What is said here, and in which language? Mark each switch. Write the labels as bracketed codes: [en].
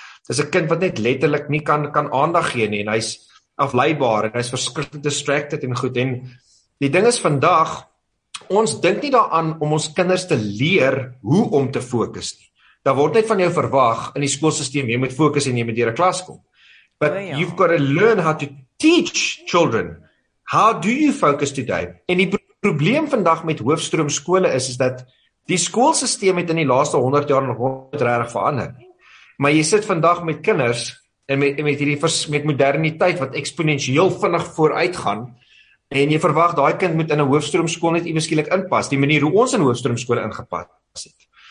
[af] Dis 'n kind wat net letterlik nie kan aandag gee nie en hy's afleibaar en hy's verskriklik distracted en goed en die ding is vandag ons dink nie daaraan om ons kinders te leer hoe om te fokus nie. Daar word net van jou verwag in die skoolstelsel jy moet fokus en jy moet deur 'n klas kom. [en] But you've got to learn how to teach children. How do you focus today? [af] En die probleem vandag met hoofstroomskole is dat die skoolstelsel het in die laaste 100 jaar nog regtig verander. Maar jy sit vandag met kinders en met moderniteit wat eksponensieel vinnig vooruitgaan en jy verwag daai kind moet in 'n hoofstroomskool net iewerskielik inpas, die manier hoe ons in hoofstroomskole ingepas het.